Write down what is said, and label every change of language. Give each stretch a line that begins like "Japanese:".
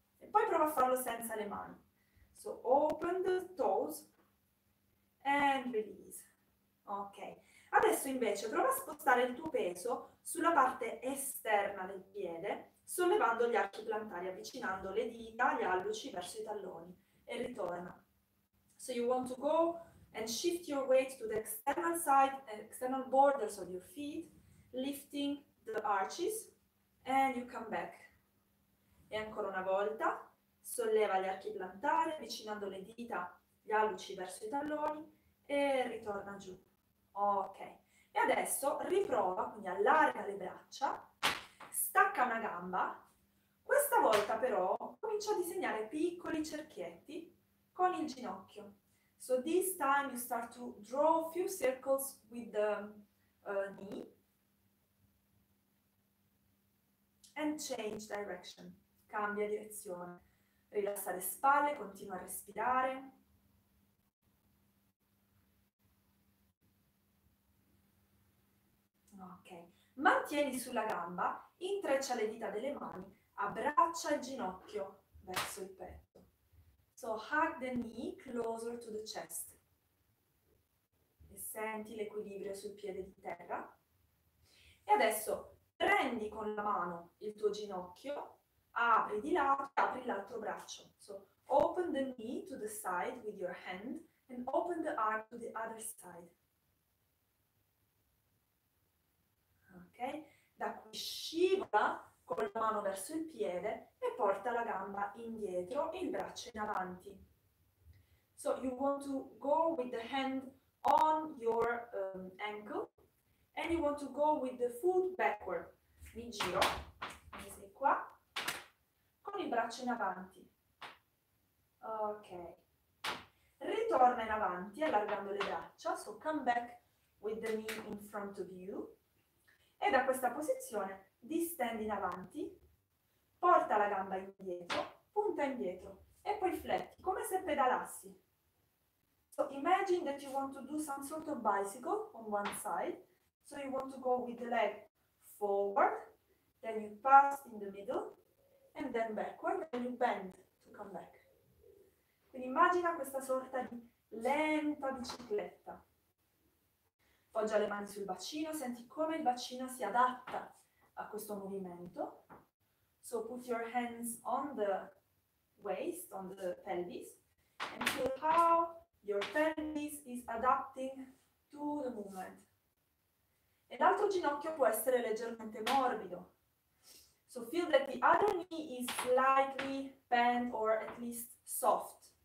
Italian: E poi prova a farlo senza le mani.
English: So, open the toes and release.
Italian: Ok. Adesso invece prova a spostare il tuo peso sulla parte esterna del piede, sollevando gli arci plantari, avvicinando le dita, gli alluci verso i talloni, e ritorna.
English: So, you want to go and shift your weight to the external side and external borders of your feet, lifting the arches, and you come back.
Italian: E ancora una volta, solleva gli archi plantari, avvicinando le dita, gli alluci verso i talloni, e ritorna giù. Ok. E adesso riprova, quindi allarga le braccia, stacca una gamba. Questa volta però comincia a disegnare piccoli cerchietti con il ginocchio.
English: So this time you start to draw a few circles with the knee and change direction.
Italian: Cambia direzione. Rilassa le spalle, continua a respirare. Ok. Mantieni sulla gamba, intreccia le dita delle mani, abbraccia il ginocchio verso il petto.
English: So, hug the knee closer to the chest.
Italian: E senti l'equilibrio sul piede di terra. E adesso prendi con la mano il tuo ginocchio, apri di lato, apri l'altro braccio.
English: So, open the knee to the side with your hand and open the arm to the other side. Ok?
Italian: Da qui scivola con la mano verso il piede e porta la gamba indietro e il braccio in avanti.
English: So you want to go with the hand on your ankle and you want to go with the foot backward.
Italian: Mi giro, mi sei qua, con il braccio in avanti. Ok. Ritorna in avanti allargando le braccia.
English: So come back with the knee in front of you.
Italian: E da questa posizione distendi in avanti, porta la gamba indietro, punta indietro e poi fletti come se pedalassi.
English: So imagine that you want to do some sort of bicycle on one side. So you want to go with the leg forward, then you pass in the middle and then backward, then you bend to come back.
Italian: Quindi immagina questa sorta di lenta bicicletta. Poggia le mani sul bacino, senti come il bacino si adatta a questo movimento.
English: So put your hands on the waist, on the pelvis, and feel how Your pelvis is adapting to the movement.
Italian: E l'altro ginocchio può essere leggermente morbido.
English: So feel that the other knee is slightly bent or at least soft.